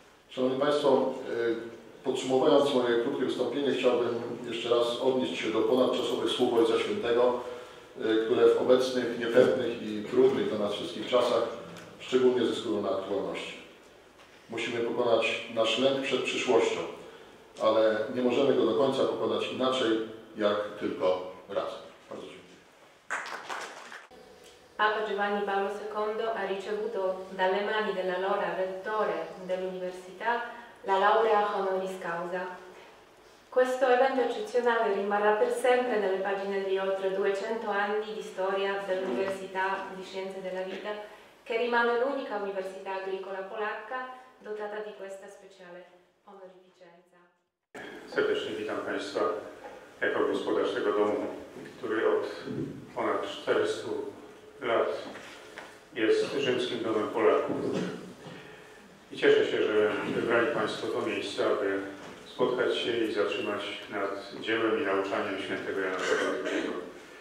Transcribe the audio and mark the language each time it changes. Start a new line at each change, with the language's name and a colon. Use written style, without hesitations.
Polish: Szanowni Państwo, podsumowując moje krótkie wystąpienie, chciałbym jeszcze raz odnieść się do ponadczasowych słów Ojca Świętego, które w obecnych, niepewnych i trudnych dla nas wszystkich czasach szczególnie zyskują na aktualności. Musimy pokonać nasz lęk przed przyszłością, ale nie możemy go do końca pokonać inaczej, jak tylko raz. Bardzo dziękuję.
Italian: Papa Giovanni Paolo II ha ricevuto dalle mani dell'allora rettore dell'università la laurea honoris causa. Questo evento eccezionale rimarrà per sempre nelle pagine di oltre 200 anni di storia dell'Università di Scienze della Vita, che rimane l'unica università agricola polacca dotata di questa speciale onorificenza.
Polish: Serdecznie witam Państwa jako gospodarz tego domu, który od ponad 400 lat jest rzymskim domem Polaków. I cieszę się, że wybrali Państwo to miejsce, aby spotkać się i zatrzymać nad dziełem i nauczaniem świętego Jana Pawła II.